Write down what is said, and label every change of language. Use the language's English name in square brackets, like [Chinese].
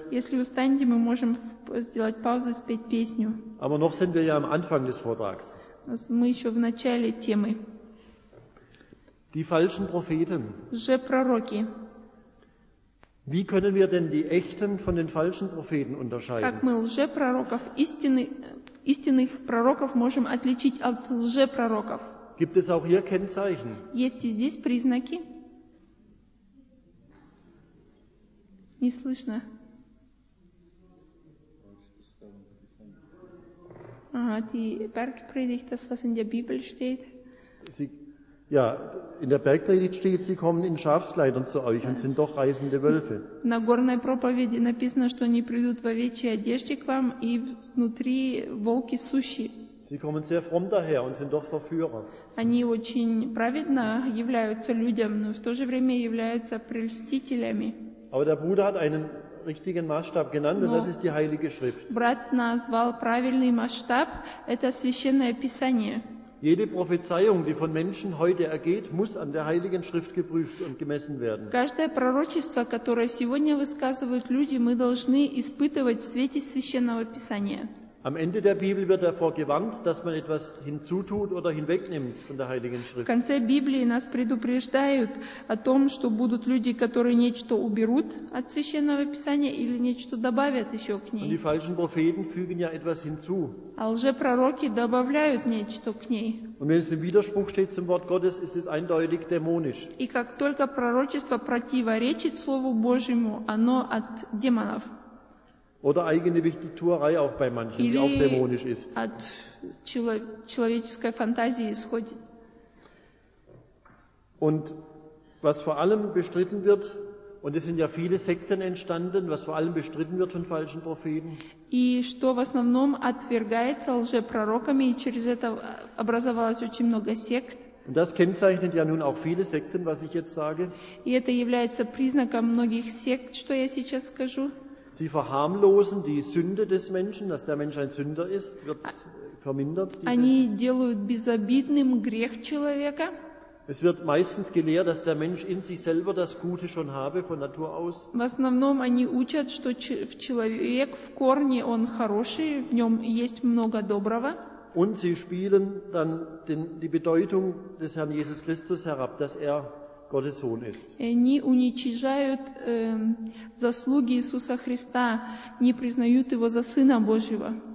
[Russian] Если устанете, мы можем сделать паузу и спеть песню. [German] Aber noch sind wir ja am Anfang des Vortrags. [Russian] Мы еще в начале темы. [German] Die falschen Propheten. [Russian] Лжепророки. [German] Wie können wir denn die echten von den falschen Propheten unterscheiden? [Russian] Как мы лжепророков, истинных пророков можем отличить от лжепророков? [German] Gibt es auch hier Kennzeichen? [Russian] Есть и здесь признаки? Не слышно. [German] Ага, die Bergpredigt, das was in der Bibel steht. Ja, in der Bergpredigt steht, sie kommen in Schafskleidern zu euch und sind doch reisende Wölfe. [Russian] На горной проповеди написано, что они придут в овечьей одежде к вам и внутри волки сущие. [German] Sie kommen sehr fromm daher und sind doch Verführer. [Russian] Они очень праведно являются людям, но в то же время являются прельстителями. [German] Aber der Bruder hat einen richtigen Maßstab genannt und das ist die Heilige Schrift. [Russian] Брат назвал правильный масштаб, это священное писание. [German] Jede Prophezeiung, die von Menschen heute ergeht, muss an der Heiligen Schrift geprüft und gemessen werden. [Russian] Каждое пророчество, которое сегодня высказывают люди, мы должны испытывать в свете Священного Писания. [German] Am Ende der Bibel wird davor gewarnt, dass man etwas hinzutut oder hinwegnimmt von der Heiligen Schrift. [Russian] В конце Библии нас предупреждают о том, что будут люди, которые нечто уберут от Священного Писания или нечто добавят еще к ней. [German] Und die falschen Propheten fügen ja etwas hinzu. [Russian] А лжепророки добавляют нечто к ней. [German] Und wenn es im Widerspruch steht zum Wort Gottes, ist es eindeutig dämonisch. [Russian] И как только пророчество противоречит Слову Божьему, оно от демонов. [German] Oder eigene Wichtigtuerei auch bei manchen, [Russian] или [German] die auch dämonisch ist. [Russian] От человеческой фантазии исходит. [German] Und was vor allem bestritten wird, und es sind ja viele Sekten entstanden, was vor allem bestritten wird von falschen Propheten. [Russian] И что в основном отвергается лжепророками, и через это образовалось очень много сект. [German] Und das kennzeichnet ja nun auch viele Sekten, was ich jetzt sage. [Russian] И это является признаком многих сект, что я сейчас скажу. [German] Sie verharmlosen die Sünde des Menschen, dass der Mensch ein Sünder ist, wird vermindert. [Russian] Они делают безобидным грех человека. [German] Es wird meistens gelehrt, dass der Mensch in sich selber das Gute schon habe von Natur aus. [Russian] В основном они учат, что человек в корне он хороший, в нем есть много доброго. [German] Und sie spielen dann die Bedeutung des Herrn Jesus Christus herab, dass er Gottes Sohn ist. [Russian] Они уничижают заслуги Иисуса Христа, не признают его за Сына Божьего.